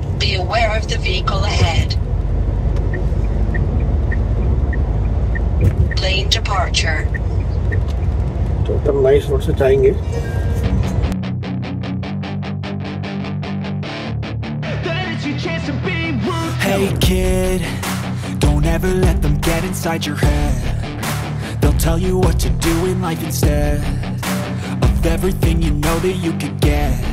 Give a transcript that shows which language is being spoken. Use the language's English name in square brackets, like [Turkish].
[English] Be aware of the vehicle ahead. Lane departure. [Hindi] तो अपन nice road से जाएंगे। [English] Hey kid, don't ever let them get inside your head. They'll tell you what to do in life instead. Everything you know that you could get.